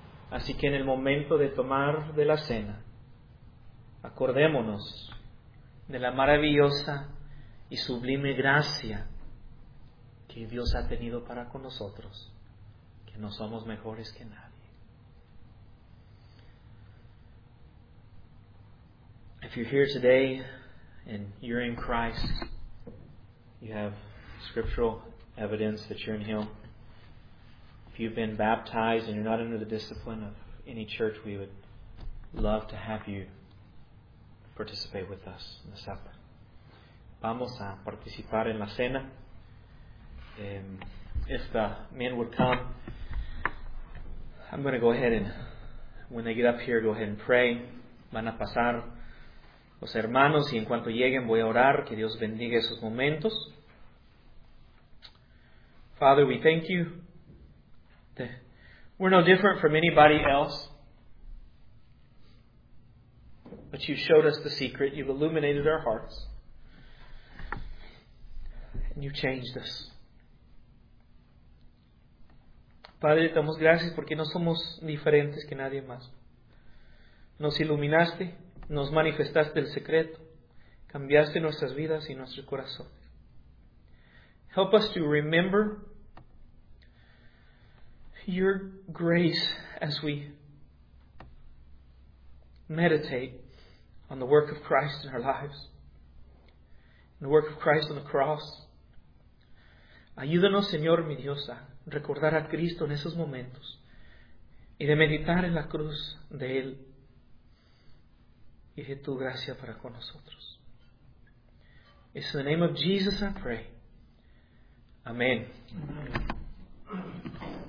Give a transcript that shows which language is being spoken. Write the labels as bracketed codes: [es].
[es] Así que en el momento de tomar de la cena, acordémonos de la maravillosa y sublime gracia que Dios ha tenido para con nosotros, que no somos mejores que nadie. [en] If you're here today and you're in Christ, you have scriptural evidence that you're in Him. If you've been baptized and you're not under the discipline of any church, we would love to have you participate with us in the supper. [es] Vamos a participar en la cena. [en] If the men would come, I'm going to go ahead and, when they get up here, go ahead and pray. [es] Van a pasar los hermanos y en cuanto lleguen voy a orar. Que Dios bendiga esos momentos. [en] Father, we thank you. We're no different from anybody else. But you showed us the secret. You've illuminated our hearts. And you've changed us. [es] Padre, te damos gracias porque no somos diferentes que nadie más. Nos iluminaste, nos manifestaste el secreto, cambiaste nuestras vidas y nuestro corazón. [en] Help us to remember your grace as we meditate on the work of Christ in our lives, the work of Christ on the cross. [es] Ayúdanos, Señor, mi Dios, a recordar a Cristo en esos momentos y de meditar en la cruz de Él y de tu gracia para con nosotros. [en] It's in the name of Jesus I pray. Amen. Amen.